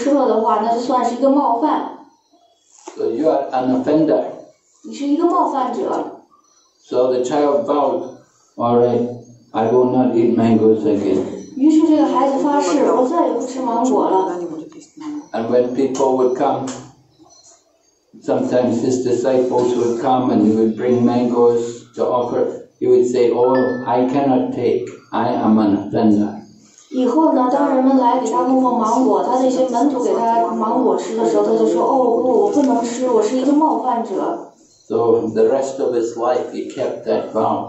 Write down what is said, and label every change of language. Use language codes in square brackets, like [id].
[zh] 但是当巴提诺德塔库看到他吃芒果的时候，巴提诺德塔库就跟他说：“哎，这些芒果还没有供奉呢，你在吃之前应该先给Krishna供奉。如果在给Krishna没供奉之前你就吃了的话，那就算是一个冒犯。” [en] So you are an offender. [zh] 你是一个冒犯者。 [en] So the child vowed, "All right, I will not eat mangoes again." [zh] 于是这个孩子发誓，我再也不吃芒果了。 [en] And when people would come. Sometimes his disciples would come and he would bring mangoes to offer. He would say, "Oh, I cannot take. I am an offender." [zh] 以后呢，当人们来给他供奉芒果，他的一些门徒给他芒果吃的时候，他就说：“哦，不，我不能吃，我是一个冒犯者。” [en] So the rest of his life, he kept that vow.